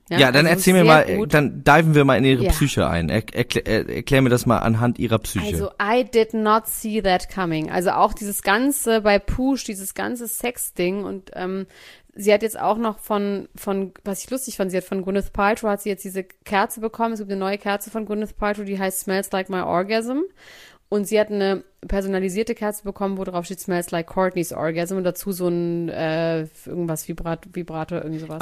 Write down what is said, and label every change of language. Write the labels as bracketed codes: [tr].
[de] Ja, ja, dann also erzähl mir mal, gut. Dann diven wir mal in ihre Psyche ein. Erklär mir das mal anhand ihrer Psyche. [en] Also, I did not see that coming. [de] Also auch dieses ganze, bei Push, dieses ganze Sex-Ding und sie hat jetzt auch noch von Gwyneth Paltrow hat sie jetzt diese Kerze bekommen. Es gibt eine neue Kerze von Gwyneth Paltrow, die heißt Smells Like My Orgasm. Und sie hat eine personalisierte Kerze bekommen, wo drauf steht Smells Like Courtney's Orgasm und dazu so ein irgendwas Vibrator irgendwie sowas.